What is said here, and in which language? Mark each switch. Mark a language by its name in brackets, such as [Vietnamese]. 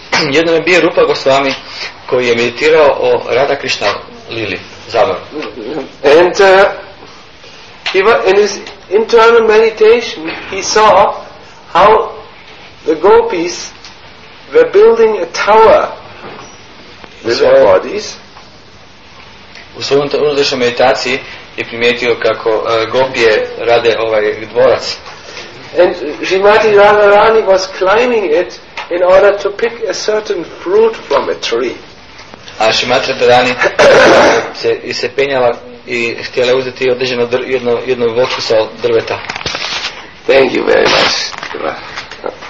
[Croatian] Jednom je bio Rupa Goswami koji je meditirao o Radha Krishna Lili, zabavno. [English] And he was in his internal meditation, he saw how the gopis were building a tower with their bodies. [Croatian] U svojom unutrašnjoj meditaciji je primijetio kako gopije rade ovaj dvorac. [English] And Srimati Radharani was climbing it in order to pick a certain fruit from a tree. [Croatian] A Srimati Radharani se penjala i htjela uzeti određeno jedno voću sa drveta. [English] Thank you very much.